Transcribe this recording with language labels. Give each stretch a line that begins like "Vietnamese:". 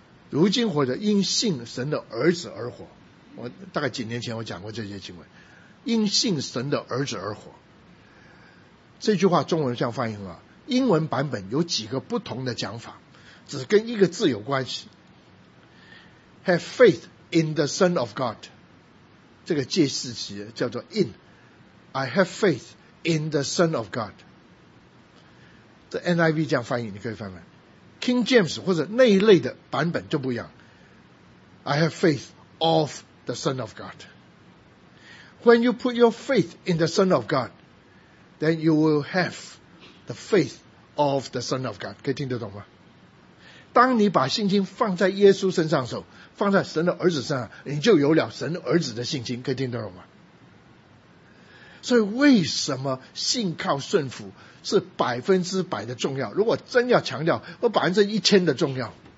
Chinese: 如今活着因信神的儿子而活，我大概几年前我讲过这些经文，因信神的儿子而活。这句话中文这样翻译啊，英文版本有几个不同的讲法，只跟一个字有关系。
English: Have faith in the Son of God.
Chinese: 这个介词词叫做 in.
English: I have faith in the Son of God.
Chinese: The NIV 这样翻译，你可以翻翻。King James 或者那一类的版本就不一样。
English: I have faith of the Son of God. When you put your faith in the Son of God, then you will have the faith of the Son of God.
Chinese: 可以听得懂吗？当你把信心放在耶稣身上的时候，放在神的儿子身上，你就有了神的儿子的信心，可以听得懂吗？所以为什么信靠顺服是100%的重要？如果真要强调，我1000%的重要。